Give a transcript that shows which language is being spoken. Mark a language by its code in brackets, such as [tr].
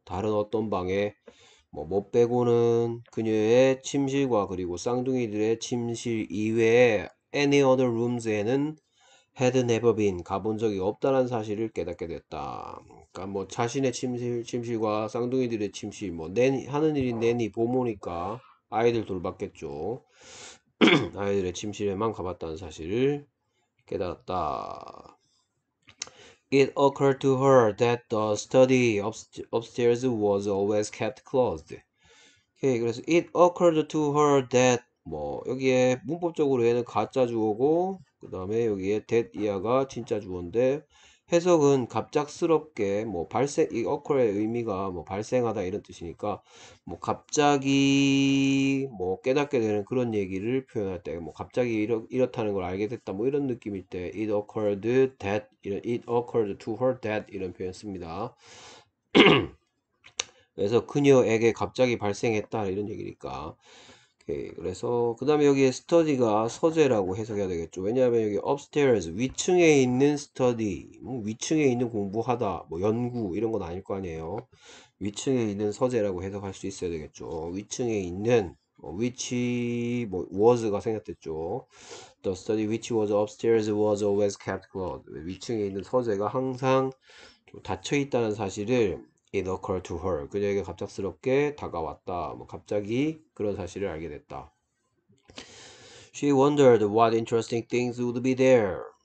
[ko] 다른 어떤 방에 뭐못 빼고는 그녀의 침실과 그리고 쌍둥이들의 침실 이외에 [en] any other rooms [ko] 에는 [en] had never been [ko] 가본 적이 없다는 사실을 깨닫게 됐다. 그러니까 뭐 자신의 침실과 쌍둥이들의 침실 뭐 내니 하는 일이 내니 보모니까 아이들 돌봤겠죠. 아이들의 침실에만 가봤다는 사실을 깨달았다. [en] It occurred to her that the study upstairs was always kept closed. [ko] 오케이, 그래서 [en] it occurred to her that [ko] 뭐 여기에 문법적으로 얘는 가짜 주어고 그 다음에 여기에 that 이하가 진짜 주어인데 해석은 갑작스럽게 뭐 발생 이 occur의 의미가 뭐 발생하다 이런 뜻이니까 뭐 갑자기 뭐 깨닫게 되는 그런 얘기를 표현할 때뭐 갑자기 이렇다는 걸 알게 됐다 뭐 이런 느낌일 때 [en] it occurred that [ko] 이런 it occurred to her that 이런 표현 씁니다. 그래서 그녀에게 갑자기 발생했다 이런 얘기니까. 오케이. 그래서 그다음에 여기에 스터디가 서재라고 해석해야 되겠죠. 왜냐하면 여기 upstairs 위층에 있는 스터디, 위층에 있는 공부하다, 뭐 연구 이런 건 아닐 거 아니에요. 위층에 있는 서재라고 해석할 수 있어야 되겠죠. 위층에 있는 which 뭐 was가 생각됐죠. [en] The study which was upstairs was always kept closed. [ko] 위층에 있는 서재가 항상 닫혀 있다는 사실을 [en] it occurred to her. [ko] 그녀에게 갑작스럽게 다가왔다. 뭐 갑자기 그런 사실을 알게 됐다. [en] She wondered what interesting things would be there.